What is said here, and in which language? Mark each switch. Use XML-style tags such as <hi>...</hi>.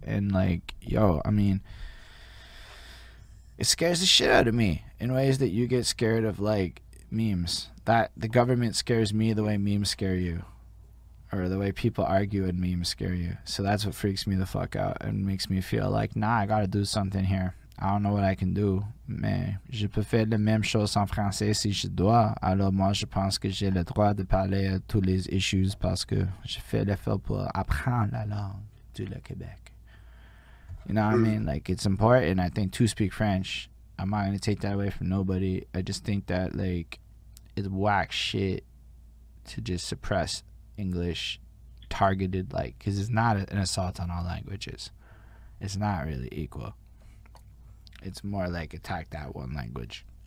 <en>And, like, yo, I mean, it scares the shit out of me in ways that you get scared of, like, memes. That the government scares me the way memes scare you, or the way people argue and memes scare you. So that's what freaks me the fuck out and makes me feel like, nah, I gotta do something here. I don't know what I can do.</en> <fr>Mais je peux faire la même chose en français si je dois. Alors moi, je pense que j'ai le droit de parler à tous les issues parce que je fais l'effort pour apprendre la langue du Québec.</fr> <en>You know what I mean? Like, it's important, I think, to speak French. I'm not going to take that away from nobody. I just think that, like, it's whack shit to just suppress English targeted, like, because it's not an assault on all languages. It's not really equal. It's more like attack that one language.</en>